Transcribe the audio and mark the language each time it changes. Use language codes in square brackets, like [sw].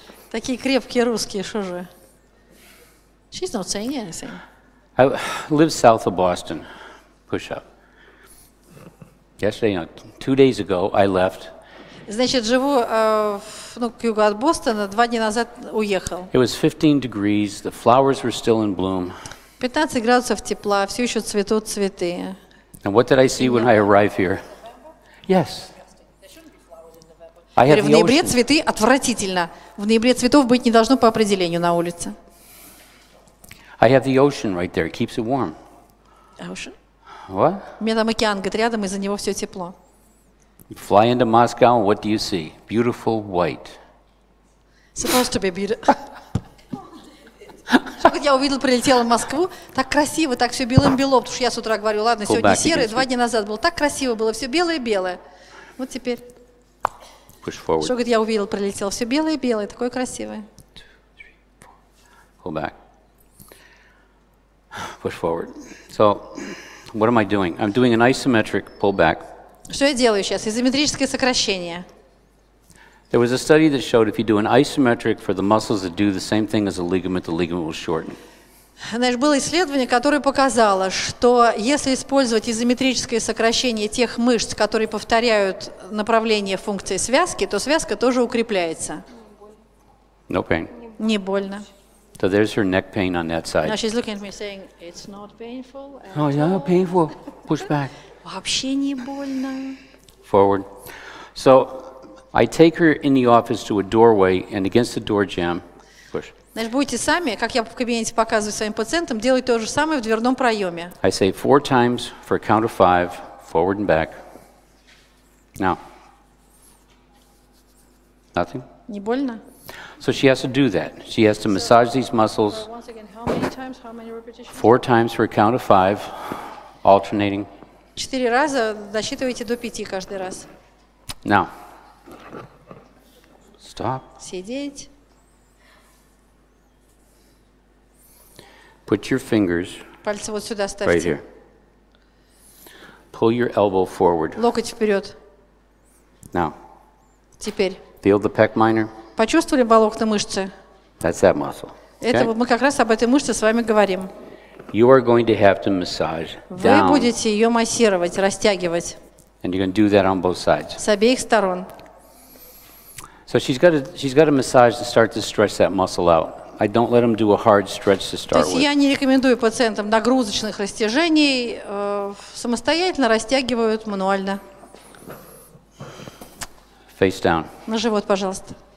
[ru] Такие крепкие русские, что же? [en] She's not saying anything. I live south of Boston. Push up. Yesterday, you know, 2 days ago, I left. [ru] Значит, живу к югу от Бостона, 2 дня назад уехал. [en] It was 15 degrees, the flowers were still in bloom. [ru] 15 градусов тепла, все еще цветут цветы. [en] And what did I see when I arrived here? Yes. I have the ocean. [ru] В ноябре цветы отвратительно. В ноябре цветов быть не должно по определению на улице. [en] I have the ocean right there, keeps it warm. Ocean? What? [ru] У меня там океан, говорит, рядом, из-за него все тепло. [en] Fly into Moscow, and what do you see? Beautiful white. Supposed to be beautiful. [ru] Я увидел, прилетел в Москву, так красиво, так все белым-бело, потому что я с утра говорю, ладно, сегодня серый, 2 дня назад было, так красиво было, все белое-белое. Вот теперь. [en] Push forward. [ru] Что, говорит, я увидел, прилетел, все белое-белое, такое красивое. [en] Pull back. Push forward. So, what am I doing? I'm doing an isometric pullback. [ru] Что я делаю сейчас? Изометрическое сокращение. [en] There was a study that showed if you do an isometric for the muscles that do the same thing as the ligament will shorten. [ru] Знаешь, было исследование, которое показало, что если использовать изометрическое сокращение тех мышц, которые повторяют направление функции связки, то связка тоже укрепляется. [en] No pain. [ru] Не больно. [en] So there's her neck pain on that side. Now she's looking at me saying it's not painful. Oh, it's not painful. Push back. [ru] Вообще не больно. [en] Forward. So I take her in the office to a doorway and against the door jamb. Push. [ru] Значит, будете сами, как я в кабинете показываю своим пациентам, делать то же самое в дверном проеме. [en] I say 4 times for a count of 5, forward and back. Now. Nothing. [ru] Не больно. [en] So she has to do that. She has to massage these muscles. Once again, how many times? How many repetitions? 4 times for a count of 5, alternating. [ru] 4 раза, досчитывайте до 5 каждый раз. [en] Now. Stop. [ru] Сидеть. [en] Put your fingers. [ru] Пальцы вот сюда ставьте. [en] Right here. Pull your elbow forward. [ru] Локоть вперед. [en] Now. [ru] Теперь. [en] Feel the pec minor. [ru] Почувствовали волокна мышцы? [en] That's that muscle. Okay. [ru] Это мы как раз об этой мышце с вами говорим. [en] You are going to have to massage [ru] down. Вы будете ее массировать, растягивать. [en] And you're going to do that on both sides. [ru] С обеих сторон. [en] So she's got a massage to start to stretch that muscle out. I don't let them do a hard stretch to start with. [ru] То есть я не рекомендую пациентам нагрузочных растяжений, самостоятельно растягивают мануально. [en] Face down. [ru] На живот, пожалуйста.